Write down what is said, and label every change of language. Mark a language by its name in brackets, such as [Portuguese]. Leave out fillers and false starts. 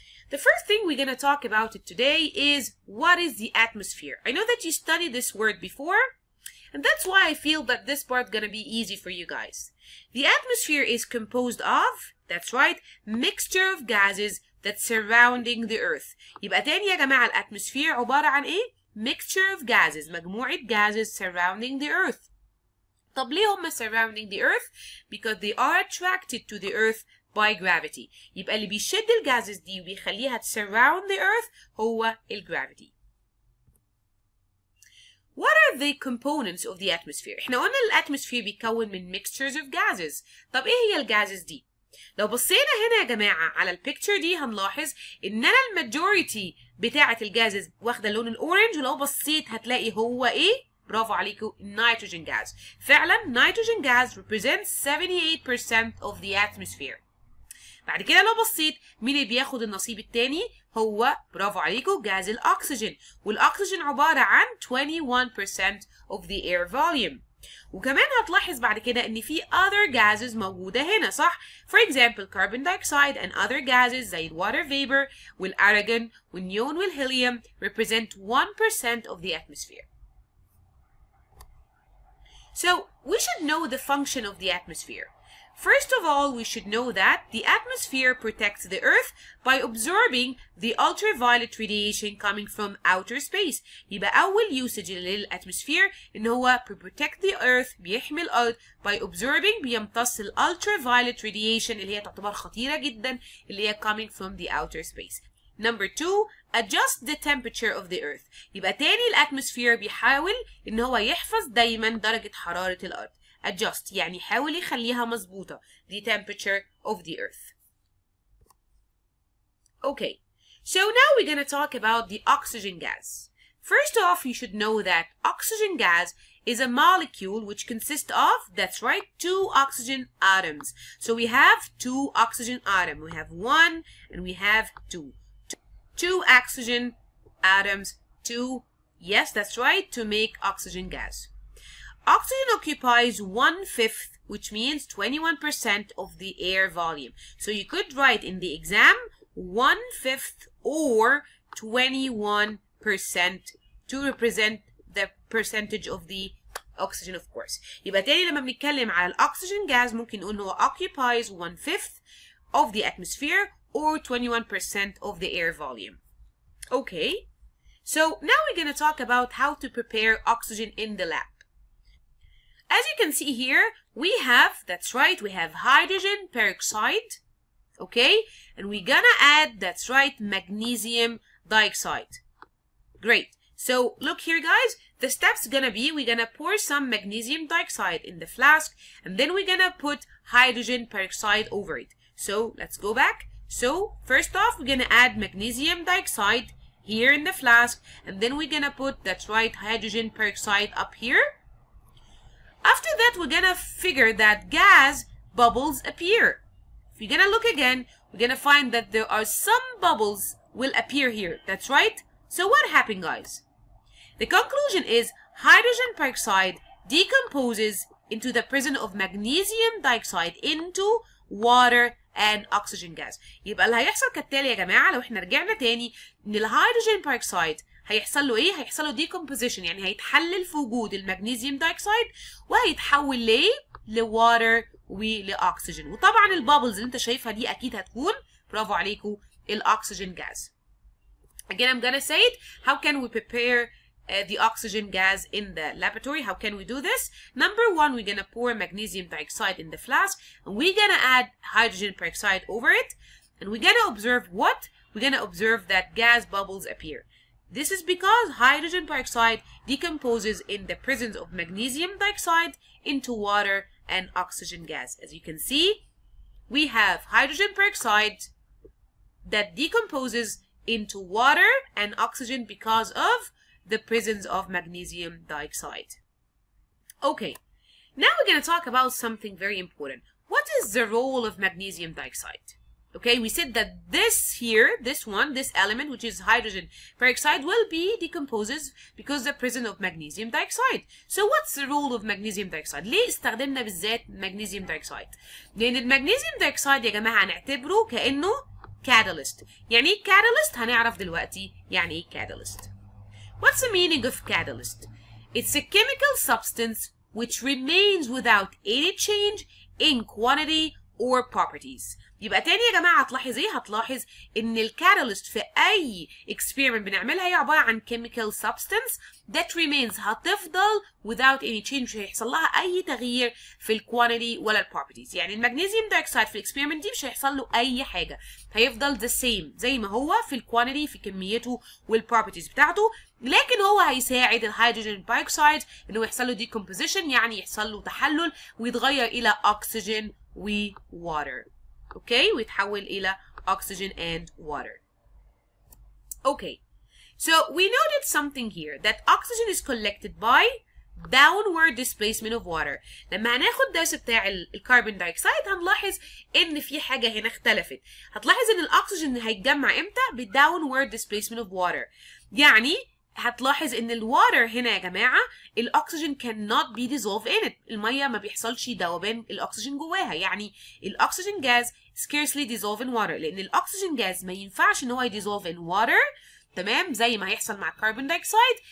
[English] The first thing we're going to talk about it today is what is the atmosphere? I know that you studied this word before, and that's why I feel that this part is going to be easy for you guys. The atmosphere is composed of, that's right, mixture of gases that's surrounding the earth. [Arabic] يبقى تاني يا جماعة الatmosphere عبارة عن إيه؟ [English] Mixture of gases, [Arabic] مجموعة [English] gases surrounding the earth. [Arabic] طب ليه هم [English] surrounding the earth? Because they are attracted to the earth by gravity. [Arabic] يبقى اللي بيشد الغازز دي وبيخليها surround the earth هو الgravity. [English] What are the components of the atmosphere? [Arabic] احنا قلنا الatmosphere بيكون من mixtures of gases. طب ايه هي الغازز دي؟ لو بصينا هنا يا جماعة على البيكتشر دي هنلاحظ ان انا الماجوريتي بتاعة الغازز واخدة اللون الاورنج ولو بصيت هتلاقي هو ايه؟ برافو عليكو نيتروجين غاز. فعلا نيتروجين غاز [English] represents 78% of the atmosphere. [Arabic] بعد كده لو بصيت مين اللي بياخد النصيب التاني؟ هو برافو عليكو غاز الاكسجين، والاكسجين عبارة عن 21% [English] of the air volume. [Arabic] وكمان هتلاحظ بعد كده ان في [English] other gases [Arabic] موجودة هنا صح؟ [English] For example carbon dioxide and other gases زي water vapor والأرجون والنيون والهيليوم represent 1% of the atmosphere. So we should know the function of the atmosphere. First of all, we should know that the atmosphere protects the Earth by absorbing the ultraviolet radiation coming from outer space. [Arabic] يبقى أول usage للatmosphere إن هو [English] protect the Earth [Arabic] بيحمي الأرض [English] by absorbing [Arabic] بيمتص [English] ultraviolet radiation [Arabic] اللي هي تعتبر خطيرة جدا اللي هي [English] coming from the outer space. Number 2, adjust the temperature of the Earth. [Arabic] يبقى تاني الatmosphere بيحاول إن هو يحفظ دايما درجة حرارة الأرض. [English] Adjust [Arabic] يعني حاول يخليها مظبوطة [English] the temperature of the earth. Okay, so now we're gonna talk about the oxygen gas. First off, you should know that oxygen gas is a molecule which consists of, that's right, two oxygen atoms. So we have two oxygen atoms. We have one and we have two. Two oxygen atoms, two, yes, that's right, to make oxygen gas. Oxygen occupies 1/5, which means 21% of the air volume. So you could write in the exam 1/5 or 21% to represent the percentage of the oxygen, of course. [Arabic] يبقى تاني لما بنتكلم على الأكسجين غاز ممكن نقول هو [English] occupies 1/5 of the atmosphere or 21% of the air volume. Okay, so now we're going to talk about how to prepare oxygen in the lab. As you can see here, we have, that's right, we have hydrogen peroxide, okay? And we're gonna add, that's right, magnesium dioxide. Great. So, look here, guys. The step's gonna be, we're gonna pour some magnesium dioxide in the flask, and then we're gonna put hydrogen peroxide over it. So, let's go back. So, first off, we're gonna add magnesium dioxide here in the flask, and then we're gonna put, that's right, hydrogen peroxide up here. After that, we're gonna figure that gas bubbles appear. If you're gonna look again, we're gonna find that there are some bubbles will appear here. That's right. So what happened, guys? The conclusion is hydrogen peroxide decomposes into the presence of magnesium dioxide into water and oxygen gas. [Arabic] يبقى اللي هيحصل كالتالي يا جماعة لو احنا رجعنا تاني ان الهيدروجين بيروكسيد هيحصل له ايه؟ هيحصل له decomposition يعني هيتحلل في وجود المغنيزيوم دايكسايد وهيتحول ليه؟ لواتر ولأكسجين. وطبعا البابلز اللي انت شايفها دي اكيد هتكون برافو عليكو الأكسجين غاز. [English] Again I'm gonna say it, how can we prepare the oxygen gas in the laboratory? How can we do this? Number one, we're gonna pour magnesium dioxide in the flask and we're gonna add hydrogen peroxide over it and we're gonna observe what? We're gonna observe that gas bubbles appear. This is because hydrogen peroxide decomposes in the presence of magnesium dioxide into water and oxygen gas. As you can see, we have hydrogen peroxide that decomposes into water and oxygen because of the presence of magnesium dioxide. Okay, now we're going to talk about something very important. What is the role of magnesium dioxide? Okay, we said that this here, this one, this element, which is hydrogen peroxide, will be decomposes because of the presence of magnesium dioxide. So what's the role of magnesium dioxide? [Arabic] ليه استخدمنا بالذات magnesium dioxide؟ لأن magnesium dioxide يا جماعة نعتبره كأنه catalyst. يعني ايه catalyst؟ هنعرف دلوقتي يعني ايه catalyst. [English] What's the meaning of catalyst? It's a chemical substance which remains without any change in quantity or properties. [Arabic] يبقى تاني يا جماعة هتلاحظ ايه؟ هتلاحظ ان الكاتاليست في اي experiment بنعملها هي عبارة عن [English] chemical substance that remains [Arabic] هتفضل [English] without any change [Arabic] مش هيحصل لها اي تغيير في الquantity ولا الproperties. يعني المغنيزيوم dioxide في الexperiment دي مش هيحصل له اي حاجة. هيفضل [English] the same [Arabic] زي ما هو في الquantity في كميته والproperties بتاعته. لكن هو هيساعد الهيدروجين بيروكسيد انه يحصل له decomposition يعني يحصل له تحلل ويتغير الى oxygen وwater. [English] Okay, [Arabic] ويتحول إلى [English] oxygen and water. Okay, so we noted something here that oxygen is collected by downward displacement of water. [Arabic] لما هناخد درس بتاع الكربون دايكسايد هنلاحظ إن في حاجة هنا اختلفت. هتلاحظ إن الأكسجين هيتجمع إمتى؟ بـ [English] downward displacement of water. [Arabic] يعني هتلاحظ إن الواتر هنا يا جماعة الأكسجين [English] cannot be dissolved in it. [Arabic] المية ما بيحصلش ذوبان الأكسجين جواها. يعني الأكسجين غاز [English] scarcely dissolve in water. [Arabic] لأن الأكسجين غاز ما ينفعش إن هو يدissolve [English] in water. [Arabic] تمام؟ زي ما هيحصل مع الكربون دايكسايد.